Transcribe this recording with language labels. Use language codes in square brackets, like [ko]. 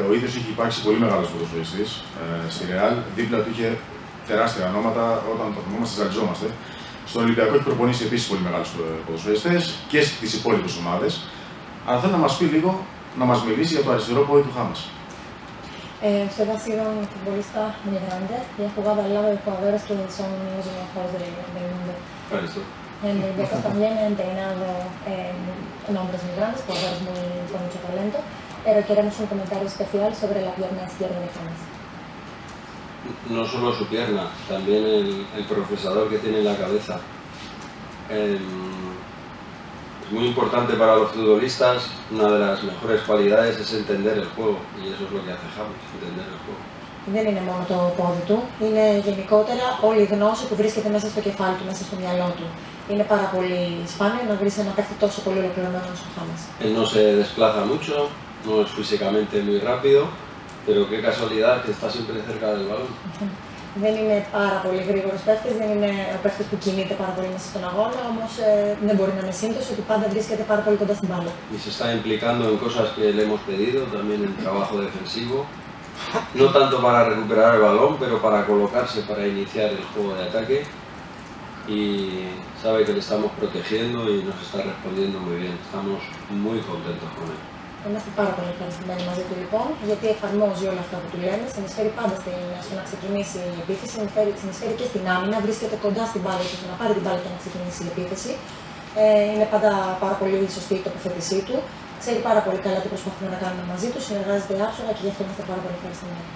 [el] Ο ίδιος είχε υπάρξει πολύ μεγάλος ποδοσφαιριστής στη Ρεάλ. Δίπλα του είχε τεράστια ονόματα. Όταν το θυμόμαστε, ζαλιζόμαστε. Στον Ολυμπιακό έχει προπονήσει επίσης πολύ μεγάλους ποδοσφαιριστές και στις υπόλοιπες ομάδες. Αλλά θέλω να μας πει λίγο, να μας μιλήσει για το αριστερό πόδι του Χάμας. [es] Usted ha sido un futbolista muy grande y ha jugado al lado de jugadores que son los mejores del mundo. En el Betis también ha entrenado hombres muy grandes, jugadores con mucho talento, pero queremos un comentario especial sobre la pierna izquierda de James. No solo su pierna, también el procesador que tiene en la cabeza. Es muy importante para los futbolistas, una de las mejores cualidades es entender el juego, y eso es lo que hace James, entender el juego. [el] Δεν είναι μόνο το πόδι του, είναι γενικότερα όλη η γνώση που βρίσκεται μέσα στο κεφάλι του, μέσα στο μυαλό του. Είναι πάρα πολύ σπάνιο να βρει ένα παίκτη τόσο πολύ ολοκληρωμένο όσο ο Χάμες. [es] No se desplaza mucho, no es físicamente muy rápido, pero qué casualidad que está siempre cerca del balón. [el] Δεν είναι πάρα πολύ γρήγορο παίκτη, δεν είναι ο παίκτη που κινείται πάρα πολύ μέσα στον αγώνα, όμω δεν μπορεί να είναι σύντομο ότι πάντα βρίσκεται πάρα πολύ κοντά στην μπάλα. [es] Y se está implicando en cosas que le hemos pedido, también en trabajo defensivo. No tanto para recuperar el balón, pero para colocarse, para iniciar el juego de ataque. Y sabe que le estamos protegiendo y nos está respondiendo muy bien. Estamos muy contentos con él. [el] Είμαστε πάρα πολύ ευχαριστημένοι μαζί του λοιπόν, γιατί εφαρμόζει όλα αυτά που του λένε. Συνεισφέρει πάντα στο να ξεκινήσει η επίθεση, συνεισφέρει και στην άμυνα. Βρίσκεται κοντά στην μπάλα του, να πάρει την μπάλα και να ξεκινήσει η επίθεση. Είναι πάντα πάρα πολύ σωστή η τοποθέτησή του. Ξέρει πάρα πολύ καλά τι προσπαθούμε να κάνουμε μαζί του, συνεργάζεται άψογα και γι' αυτό είμαστε πάρα πολύ ευχαριστημένοι.